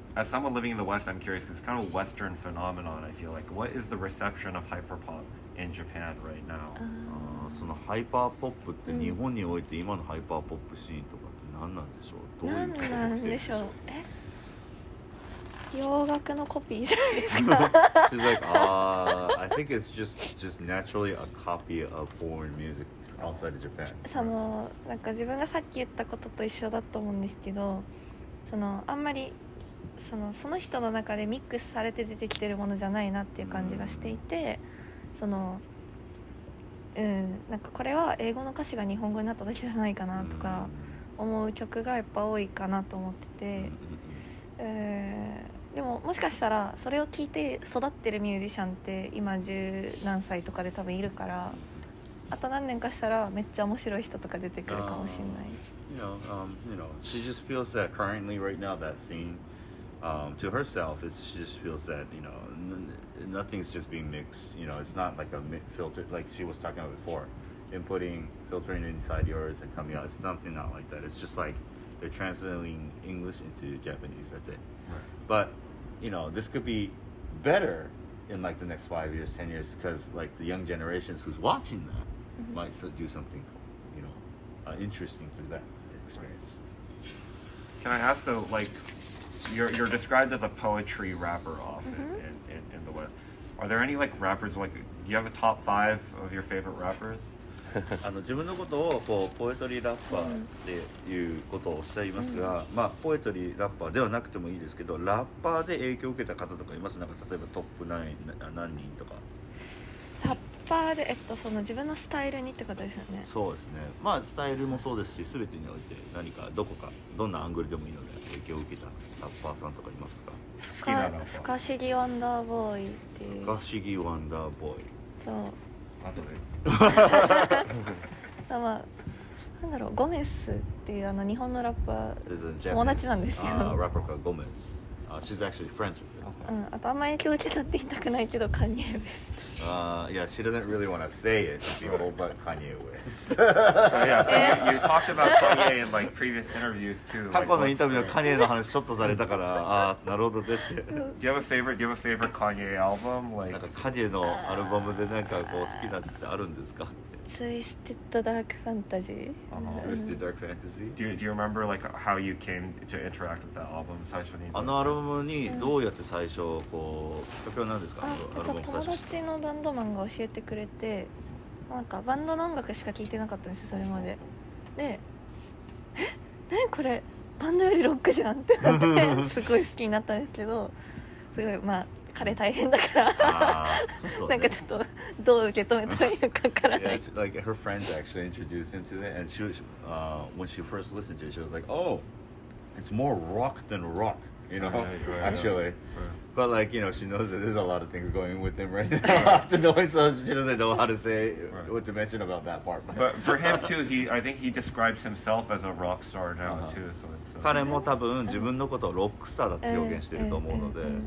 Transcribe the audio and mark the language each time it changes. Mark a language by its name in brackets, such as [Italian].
[English] As someone living in the West, I'm curious because it's kind of a Western phenomenon. I feel like, what is the reception of hyperpop in Japan right now? [Japanese] そのハイパーポップって日本において今のハイパーポップシーンとかって何なんでしょう？どういう感じでしょう？洋楽のコピーじゃないですか？ [English] She's like, I think it's just naturally a copy of foreign music outside of Japan. [Japanese] そのなんか自分がさっき言ったことと一緒だと思うんですけど、そのあんまりその人の中でミックスされて出てきてるものじゃないなっていう感じがしていて、なんかこれは英語の歌詞が日本語になっただけじゃないかなとか思う曲がやっぱ多いかなと思ってて、でももしかしたらそれを聴いて育ってるミュージシャンって今十何歳とかで多分いるから、あと何年かしたらめっちゃ面白い人とか出てくるかもしれない。 [English] She just feels that currently right now that sceneto herself, she just feels that, you know, nothing's just being mixed, you know, it's not like a filter, like she was talking about before, inputting, filtering inside yours and coming out, it's something not like that, it's just like they're translating English into Japanese, that's it. Right. But, you know, this could be better in like the next 5 years, 10 years, because like the young generations who's watching that might do something, you know, interesting through that experience. Can I ask though, like,You're described as a poetry rapper often in the West. Are there any like rappers like, do you have a top five of your favorite rappers? [Japanese] 自分のことをこうポエトリーラッパーっていうことをおっしゃいますが、まあポエトリーラッパーではなくてもいいですけど、ラッパーで影響を受けた方とかいます？なんか例えばトップ何人とか。ラッパーで、その自分のスタイルにってことですよね。そうですね。まあスタイルもそうですし、全てにおいて何かどこかどんなアングルでもいいので影響を受けた。ラッパーさんとかいますか？好きなの。不可思議ワンダーボーイっていう。不可思議ワンダーボーイ。そう。あとで。まあ、なんだろう、ゴメスっていうあの日本のラッパー友達なんですよ。ラッパーかゴメス。 [English] She's actually friends with him. [Japanese] うん、あとあんまり影響受けたって言いたくないけど、カニエ・ウェスト。 [English] Yeah, she doesn't really want to say it to people, but Kanye West. So yeah, so you talked about Kanye in like previous interviews too. [Japanese] 過去のインタビューはカニエの話ちょっとされたから、ああ、なるほどでって。 [English] Do you have a favorite? Do you have a favorite Kanye album? Like, [Japanese] なんかカニエのアルバムでなんかこう好きなやつってあるんですか？ [English] Twisted Dark Fantasy. Twisted Dark Fantasy. Do you remember like how you came to interact with that album? [Japanese] 最初に。あのアルバムにどうやって最初こうきっかけは何ですか？あ、友達のバンドマンが教えてくれて、なんかバンドの音楽しか聴いてなかったんですよ、それまで。で、え、何これ、バンドよりロックじゃんってなって、すごい好きになったんですけど、すごい、まあ、彼大変だから、なんかちょっと、どう受け止めたらいいのかわからない。 [English] Yeah, like, her friends actually introduced him to that, and she was, when she first listened to it, she was like, oh, it's more rock than rock. You know, right, actually. Right. But like, you know, she knows that there's a lot of things going with him right now after knowing, so she doesn't know how to say, what to mention about that part. But for him too, I think he describes himself as a rock star now too. So it's, [Japanese] 彼も多分自分のことをロックスターだって表現してると思うので。